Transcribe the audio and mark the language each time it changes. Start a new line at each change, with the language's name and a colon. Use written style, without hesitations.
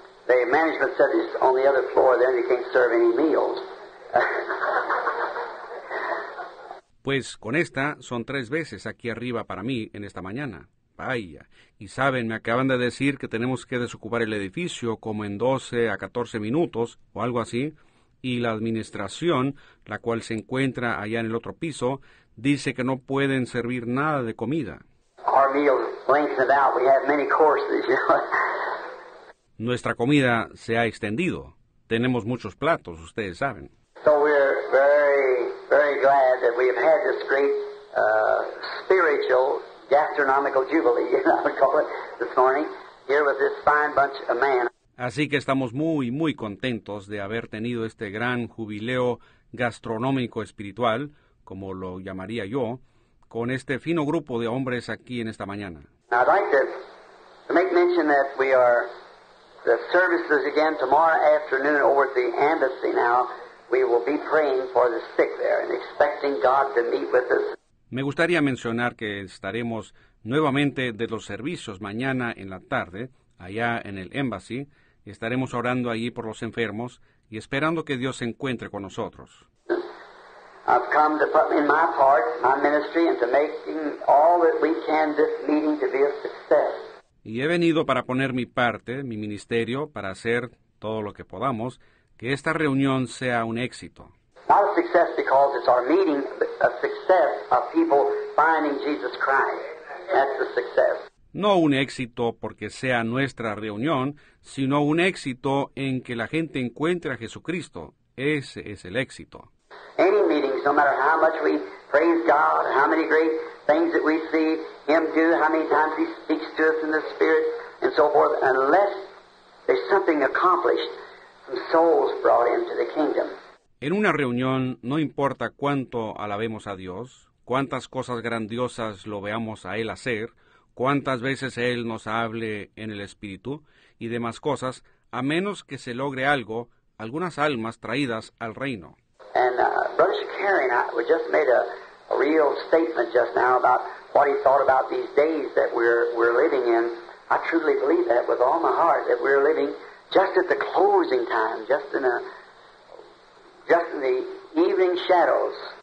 English: The management said he's on the other floor there and he can't serve any meals.
Spanish: Pues con esta son tres veces aquí arriba para mí en esta mañana. Vaya. Y saben, me acaban de decir que tenemos que desocupar el edificio como en 12 a 14 minutos o algo así. Y la administración, la cual se encuentra allá en el otro piso, dice que no pueden servir nada de comida.
English: Our meals lengthen out. We have many courses, you know.
Spanish: Nuestra comida se ha extendido. Tenemos muchos platos, ustedes saben.
English: So we're very, very glad that we have had this great spiritual gastronomical jubilee, you know, I would call it, this morning, here with this fine bunch of men.
Spanish: Así que estamos muy, muy contentos de haber tenido este gran jubileo gastronómico espiritual, como lo llamaría yo, con este fino grupo de hombres aquí en esta mañana.
English: I'd like to make mention that we are... The services again tomorrow afternoon over at the embassy now. We will be praying for the sick there and expecting God to meet with us.
Spanish: Me gustaría mencionar que estaremos nuevamente de los servicios mañana en la tarde, allá en el embassy. Estaremos orando allí por los enfermos y esperando que Dios se encuentre con nosotros.
English: I've come to put in my part, my ministry, and to making all that we can this meeting to be a success.
Spanish: Y he venido para poner mi parte, mi ministerio, para hacer todo lo que podamos, que esta reunión sea un éxito.
English: Not a success because it's our meeting, a success of people finding Jesus Christ. That's the success.
Spanish: No un éxito porque sea nuestra reunión, sino un éxito en que la gente encuentre a Jesucristo. Ese es el éxito.
English: Any meetings, no matter how much we praise God, how many great things that we see Him do, how many times He speaks to us in the Spirit, and so forth, unless there's something accomplished, some souls brought into the kingdom.
Spanish: En una reunión, no importa cuánto alabemos a Dios, cuántas cosas grandiosas lo veamos a Él hacer, cuántas veces Él nos hable en el Espíritu y demás cosas, a menos que se logre algo, algunas almas traídas al reino.
English: And Brother Shakarian, we just made a real statement just now about what he thought about these days that we're living in. I truly believe that with all my heart, that we're living just at the closing time, just in the evening shadows.